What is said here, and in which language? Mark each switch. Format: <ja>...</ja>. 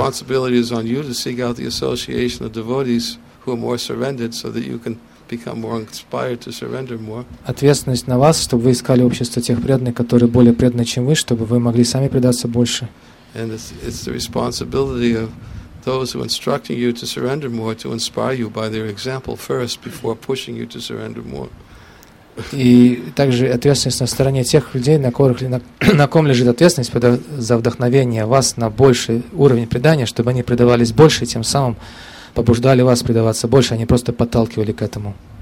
<en>Responsibility is on you to seek out the association of devotees who are more surrendered, so that you can become more inspired to surrender more.</en> <ru>Ответственность на вас, чтобы вы искали общество тех преданных, которые более преданы, чем вы, чтобы вы могли сами предаться больше.</ru> <en>And it's the responsibility of those who are instructing you to surrender more to inspire you by their example first before pushing you to surrender more.</en> <ru>И также ответственность на стороне тех людей, на ком лежит ответственность за вдохновение вас на больший уровень предания, чтобы они предавались больше, и тем самым побуждали вас предаваться больше, а не просто подталкивали к этому.</ru>